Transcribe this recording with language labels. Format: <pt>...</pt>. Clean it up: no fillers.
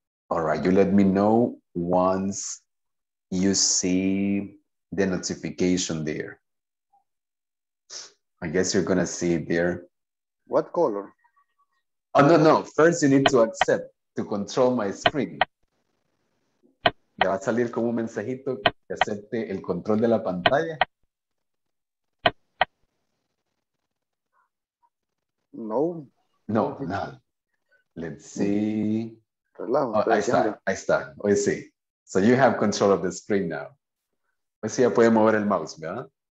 <en>All right, you let me know once you see the notification there. I guess you're gonna see it there. What color? Oh, no, no. First, you need to accept to control my screen.</en> <es>Ya va a salir como un mensajito que acepte el control de la pantalla.</es> <en>No. No, no. Let's see.</en> <es>Relaja, ahí está, ahí está. Hoy sí.</es> <en>So you have control of the screen now.</en> <es>Hoy sí ya puede mover el mouse, ¿verdad?</es>